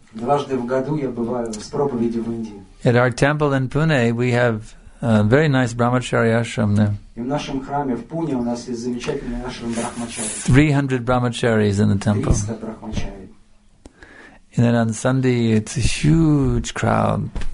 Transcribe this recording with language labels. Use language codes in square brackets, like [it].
[ru] Дважды в году я бываю с проповедью в Индии. [en] At our temple in Pune, we have a very nice Brahmacharya ashram there. [ru] И в нашем храме в Пуне у нас есть замечательный ашрам брахмачари. [en] 300 Brahmacharis in the temple. [ru] 300 брахмачари. [en] And then on Sunday, it's a huge crowd.